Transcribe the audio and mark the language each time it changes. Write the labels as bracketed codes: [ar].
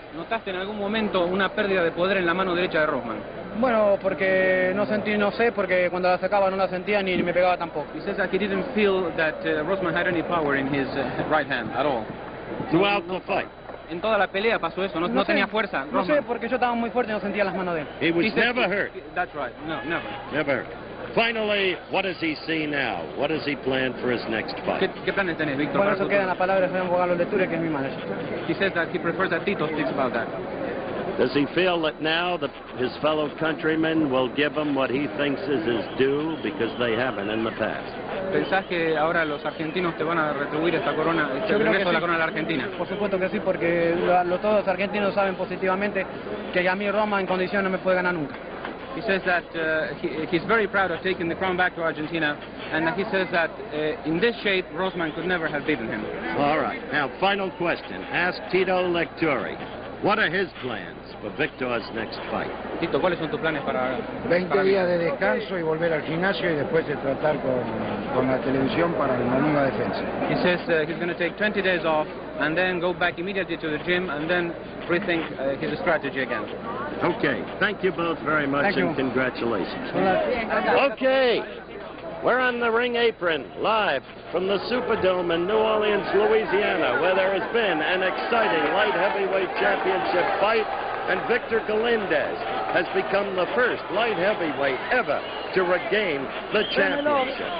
[es] ¿Notaste en algún momento una pérdida de poder en la mano derecha de Rossman? Bueno, porque no sentí, no sé, porque cuando la sacaba no la sentía ni me pegaba tampoco. [en] He says that he didn't feel that Rossman had any power in his right hand at all. Throughout the fight. [es] En toda la pelea pasó eso, no, no tenía fuerza. No sé, porque yo estaba muy fuerte y no sentía las manos de él. [en] He was never hurt. That's right, no, never. Never hurt. Finally, what does he see now? What does he plan for his next fight? [es] ¿Qué planes tenés, Víctor? Bueno, eso queda en la palabra de señor Bogalo Leture, que es mi manager. [en] He says that he prefers that Tito speaks about that. Does he feel that now that his fellow countrymen will give him what he thinks is his due because they haven't in the past? [es] ¿Pensás que ahora los argentinos te van a retribuir esta corona, este regreso de la corona a la Argentina? Por supuesto que sí, porque todos los argentinos saben positivamente que a mí Roma en condición no me puede ganar nunca. [en] He says that he's very proud of taking the crown back to Argentina, and he says that in this shape, Rossman could never have beaten him. All right. Now, final question. Ask Tito Lecturi. What are his plans for Victor's next fight? [es] Tito, ¿cuáles son tus planes para 20 días de descanso y volver al gimnasio y después de tratar con la televisión para la nueva defensa. [en] He says he's going to take 20 days off and then go back immediately to the gym and then rethink his strategy again. Okay, thank you both very much. Thank and you. Congratulations. Okay, we're on the ring apron, live from the Superdome in New Orleans, Louisiana, where there has been an exciting light heavyweight championship fight, and Victor Galindez has become the first light heavyweight ever to regain the championship.